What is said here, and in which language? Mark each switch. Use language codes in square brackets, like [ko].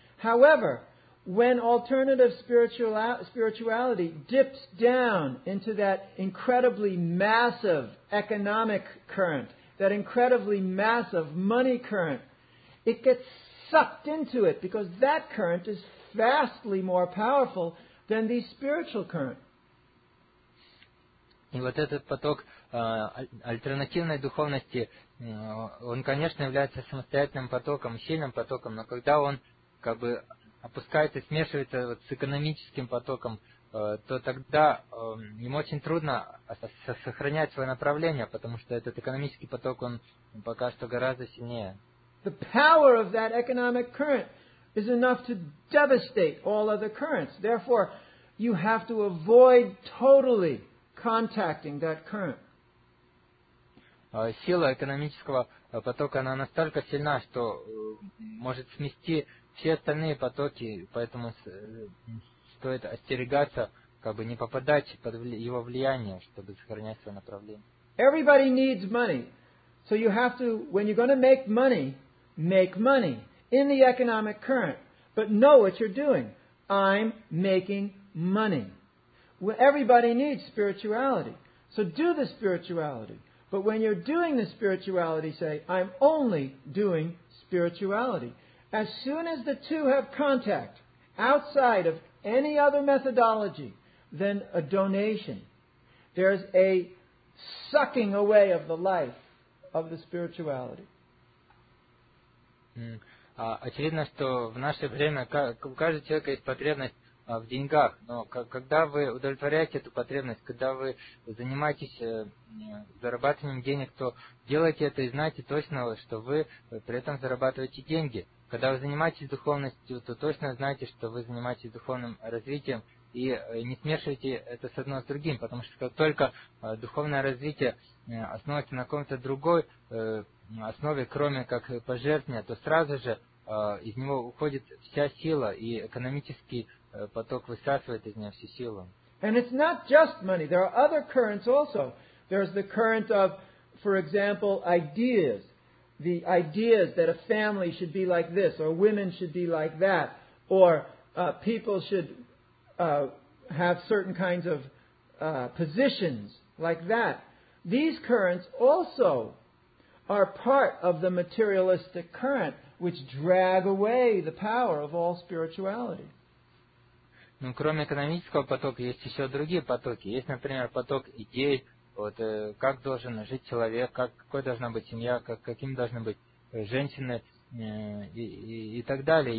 [en] However, when alternative spirituality dips down into that incredibly massive economic current, that incredibly massive money current, it gets sucked into it because that current is vastly more powerful than the spiritual current. [ru] И вот этот поток альтернативной духовности, он, конечно, является самостоятельным потоком, сильным потоком, но когда он как бы опускается, смешивается вот с экономическим потоком, то тогда ему очень трудно сохранять свое направление, потому что этот экономический поток, он пока что гораздо сильнее. [en] The power of that economic current is enough to devastate all other currents. Therefore, you have to avoid totally contacting that current. [ru] Сила экономического потока, она настолько сильна, что может смести все остальные потоки, поэтому стоит остерегаться, как бы не попадать под его влияние, чтобы сохранять свое направление. [en] Everybody needs money. So you have to, when you're going to make money, make money in the economic current. But know what you're doing. I'm making money. Everybody needs spirituality. So do the spirituality. But when you're doing the spirituality, say, I'm only doing spirituality. As soon as the two have contact outside of any other methodology than a donation, there's a sucking away of the life of the spirituality. [ru] Очевидно, что в наше время у каждого человека есть потребность в деньгах, но когда вы удовлетворяете эту потребность, когда вы занимаетесь зарабатыванием денег, то делайте это и знайте точно, что вы при этом зарабатываете деньги. Когда вы занимаетесь духовностью, то точно знайте, что вы занимаетесь духовным развитием, и не смешивайте это с одно с другим, потому что как только духовное развитие основывается на каком-то другой основе, кроме как пожертвования, то сразу же из него уходит вся сила, и экономический поток высасывает из него всю силу. [en] And it's not just money. There are other currents also. There's the current of, for example, ideas. The ideas that a family should be like this, or women should be like that, or people should have certain kinds of positions like that. These currents also are part of the materialistic current which drag away the power of all spirituality. [ru] Ну, кроме экономического потока, есть еще другие потоки. Есть, например, поток идей, вот, как должен жить человек, какой должна быть семья, какими должны быть женщины и так далее.